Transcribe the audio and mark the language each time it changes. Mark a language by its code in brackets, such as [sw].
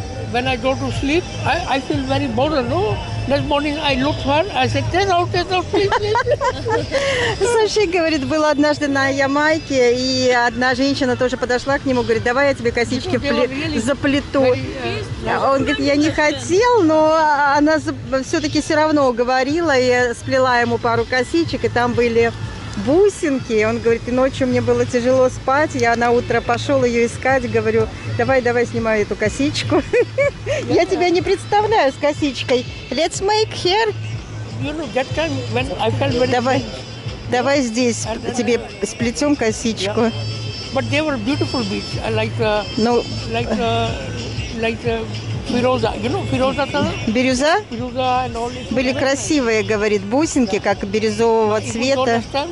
[en] When I go to sleep, I feel very bored, no? This morning I looked her, I said, get out, please. [ru] Слушай, говорит, был однажды на Ямайке, и одна женщина тоже подошла к нему, говорит, давай я тебе косички заплету. Он говорит, я не хотел, но она все-таки все равно уговорила, и сплела ему пару косичек, и там были бусинки. Он говорит, и ночью мне было тяжело спать, я на утро пошел ее искать, говорю, давай снимай эту косичку. Я тебя не представляю с косичкой. [en] Let's make hair. [ru] Давай здесь тебе сплетем косичку. [en] But they were beautiful beads, like Фироза, you know, фироза [ru] тоже? Бирюза? Бирюза, и были красивые, говорит, бусинки, yeah. Как бирюзового цвета.